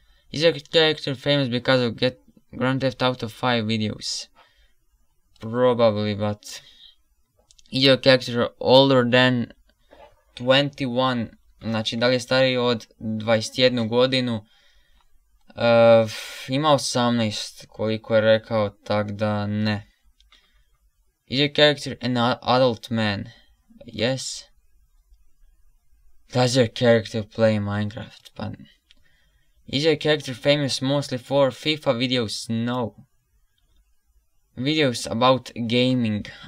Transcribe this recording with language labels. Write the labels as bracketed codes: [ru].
[en] Is your character famous because of Grand Theft Auto 5 videos? Probably, but... Is your character older than 21? [hr] Znači, da li je stariji od 21 godinu? Ima 18, koliko je rekao, tak da ne. [en] Is your character an adult man? Yes. Does your character play Minecraft? But... Is your character famous mostly for FIFA videos? No. Videos about gaming.